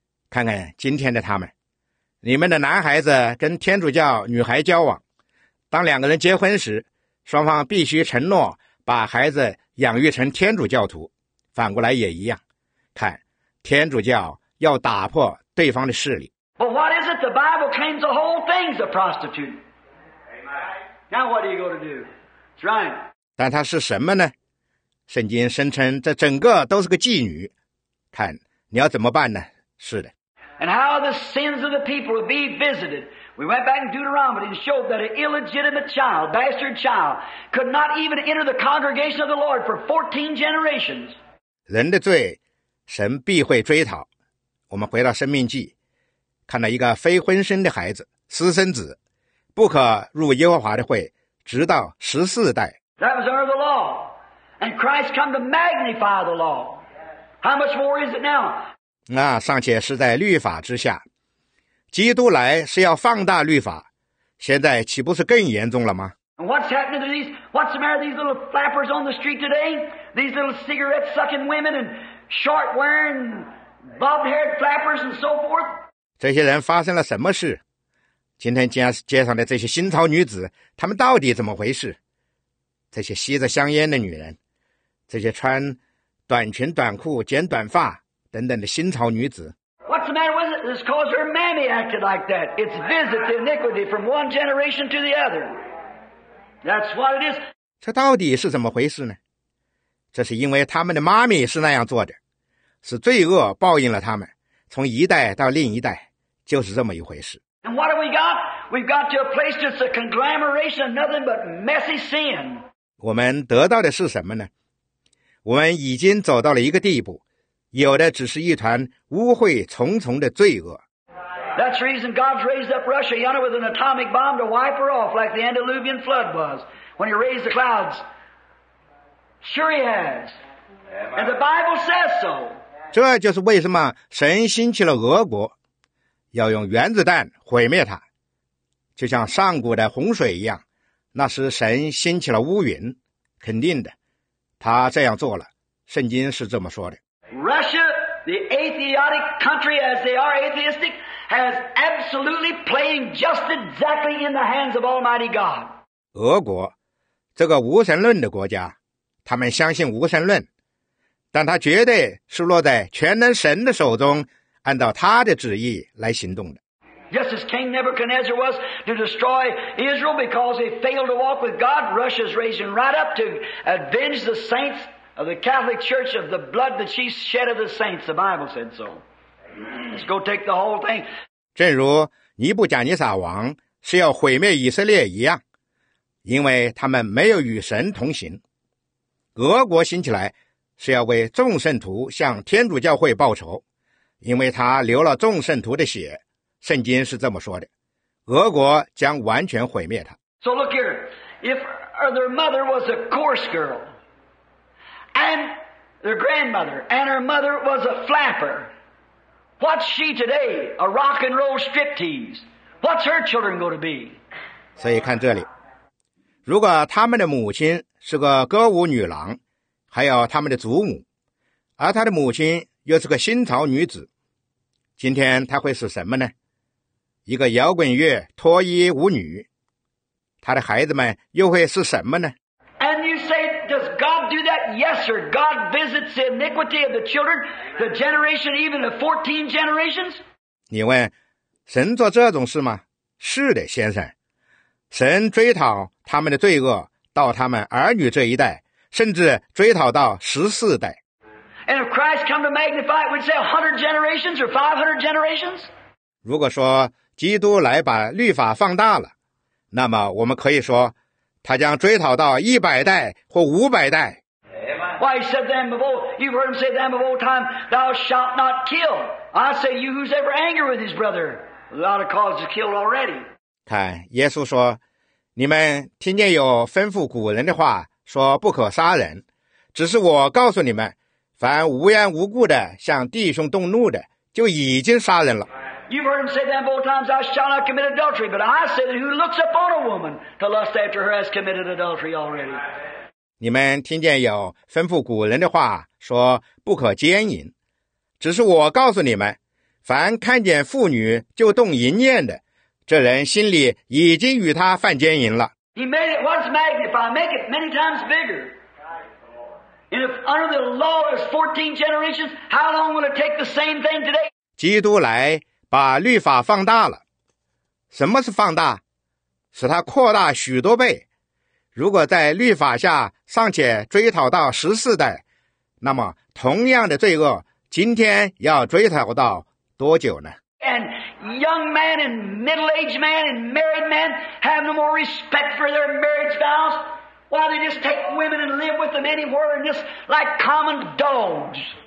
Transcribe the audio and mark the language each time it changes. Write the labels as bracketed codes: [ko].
[zh] 看看今天的他们，你们的男孩子跟天主教女孩交往，当两个人结婚时，双方必须承诺把孩子养育成天主教徒，反过来也一样。看，天主教要打破对方的势力。 [en] But what is it? The Bible claims the whole thing's a prostitute. Now what are you going to do? That's right. [zh] 但它是什么呢？圣经声称这整个都是个妓女。看，你要怎么办呢？是的。 [en] And how the sins of the people will be visited. We went back in Deuteronomy and showed that an illegitimate child, bastard child, could not even enter the congregation of the Lord for 14 generations. [zh] 人的罪，神必会追讨。我们回到生命记，看到一个非婚生的孩子，私生子。不可入耶和华的会，直到十四代。 [en] That was under the law, and Christ come to magnify the law. How much more is it now? [zh] 那尚且是在律法之下，基督来是要放大律法，现在岂不是更严重了吗 [en] ？And what's happening to these? What's the matter? These little flappers on the street today? These little cigarette-sucking women and short-wearing, bobbed-haired flappers and so forth? [zh] 这些人发生了什么事？今天街上的这些新潮女子，她们到底怎么回事？这些吸着香烟的女人，这些穿短裙短裤、剪短发等等的新潮女子。 [en] What's the matter with it? It's cause her mammy acted like that. It's visit the iniquity from one generation to the other. That's what it is. [zh] 这到底是怎么回事呢？这是因为他们的妈咪是那样做的，是罪恶报应了他们，从一代到另一代，就是这么一回事。 [en] And what have we got? We've got to a place that's a conglomeration of nothing but messy sin. [zh] 我们得到的是什么呢？我们已经走到了一个地步，有的只是一团污秽重重的罪恶。 [en] That's the reason God's raised up Russia, you know, with an atomic bomb to wipe her off like the Antediluvian flood was when he raised the clouds. Sure he has. And the Bible says so. [zh] 这就是为什么神兴起了俄国。要用原子弹毁灭它，就像上古的洪水一样，那时神兴起了乌云，肯定的，他这样做了，圣经是这么说的。 [en] Russia, the atheistic country as they are atheistic, has absolutely playing just exactly in the hands of Almighty God. [zh] 俄国，这个无神论的国家，他们相信无神论，但他绝对是落在全能神的手中按照他的旨意来行动的。 [en] Just as King Nebuchadnezzar was to destroy Israel because they failed to walk with God, Russia is raising right up to avenge the saints of the Catholic Church of the blood that she shed of the saints. The Bible said so. Let's go take the whole thing. [zh] 正如尼布甲尼撒王是要毁灭以色列一样，因为他们没有与神同行。俄国兴起来是要为众圣徒向天主教会报仇，因为他流了众圣徒的血。圣经是这么说的，俄国将完全毁灭他。 [en] So look here, if their mother was a coarse girl, and their grandmother, and her mother was a flapper, what's she today? A rock and roll striptease. What's her children going to be? [zh] 所以看这里，如果他们的母亲是个歌舞女郎，还有他们的祖母，而他的母亲又是个新潮女子，今天他会是什么呢？一个摇滚乐脱衣舞女，他的孩子们又会是什么呢？ [en] And you say, does God do that? Yes, sir. God visits the iniquity of the children, the generation, even the 14 generations. [zh] 你问，神做这种事吗？是的，先生。神追讨他们的罪恶到他们儿女这一代，甚至追讨到14代。 [en] And if Christ come to magnify it, we'd say 100 generations or 500 generations? [zh] 如果说基督来把律法放大了，那么我们可以说他将追讨到100代或500代。 [en] Why he said them of old, you've heard him say them of old time, thou shalt not kill. I say you who's ever angry with his brother, without a cause is killed already. [zh] 看耶稣说，你们听见有吩咐古人的话说不可杀人，只是我告诉你们，凡无缘无故的向弟兄动怒的，就已经杀人了。 [en] You've heard him say that both times, I shall not commit adultery, but I say that who looks upon a woman to lust after her has committed adultery already. [zh] 你们听见有吩咐古人的话说不可奸淫，只是我告诉你们，凡看见妇女就动淫念的，这人心里已经与他犯奸淫了。 [en] He made it once magnified, make it many times bigger. And if under the law is 14 generations, how long will it take the same thing today? [zh] 基督来把律法放大了，什么是放大？使它扩大许多倍。如果在律法下尚且追讨到14代，那么同样的罪恶，今天要追讨到多久呢？ [en] And young man and middle-aged man and married man have no more respect for their marriage vows. Why they just take women and live with them anywhere and just like common dogs?